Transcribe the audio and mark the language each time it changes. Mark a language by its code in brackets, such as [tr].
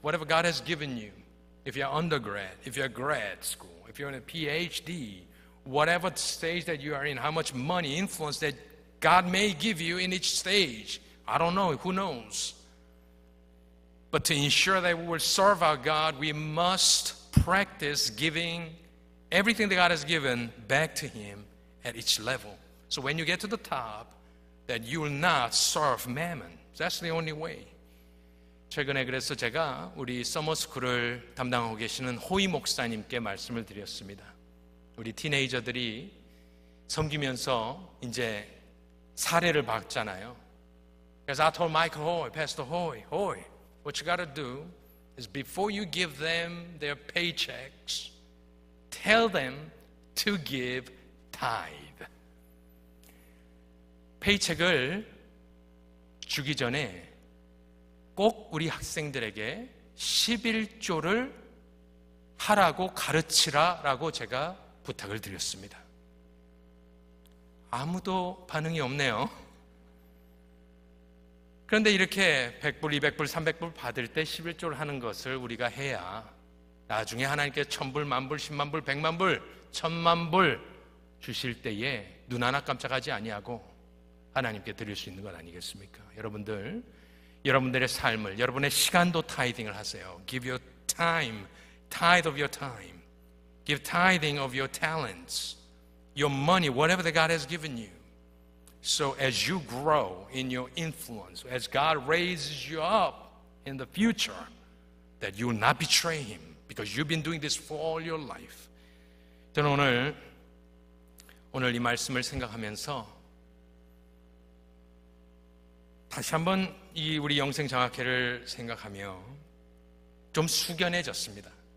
[en] Whatever God has given you, if you're undergrad, if you're grad school, if you're in a PhD, whatever stage that you are in, how much money, influence that God may give you in each stage, I don't know, who knows? But to ensure that we will serve our God, we must practice giving everything that God has given back to Him at each level. So when you get to the top, that you will not serve mammon. That's the only way. [ko] 최근에 그래서 제가 우리 서머스쿨을 담당하고 계시는 호이 목사님께 말씀을 드렸습니다. 우리 티네이저들이 섬기면서 이제 사례를 받잖아요. [en] Because I told Michael Hoy, Pastor Hoy, Hoy, what you got to do is before you give them their paychecks, tell them to give tithe. [ko] 페이첵을 주기 전에 꼭 우리 학생들에게 11조를 하라고 가르치라라고 제가 부탁을 드렸습니다. 아무도 반응이 없네요. 그런데 이렇게 100불, 200불, 300불 받을 때 11조를 하는 것을 우리가 해야 나중에 하나님께 천불, 만불, 십만불, 백만불, 천만불 주실 때에 눈 하나 깜짝하지 아니하고 하나님께 드릴 수 있는 것 아니겠습니까? 여러분들, 여러분들의 삶을, 여러분의 시간도 타이딩을 하세요. [en] Give your time, tithe of your time. Give tithing of your talents, your money, whatever that God has given you. So as you grow in your influence, as God raises you up in the future, that you will not betray Him because you've been doing this for all your life. [ko] 저는 오늘 이 말씀을 생각하면서 다시 한번 이 우리 영생장학회를 생각하며 좀 숙연해졌습니다.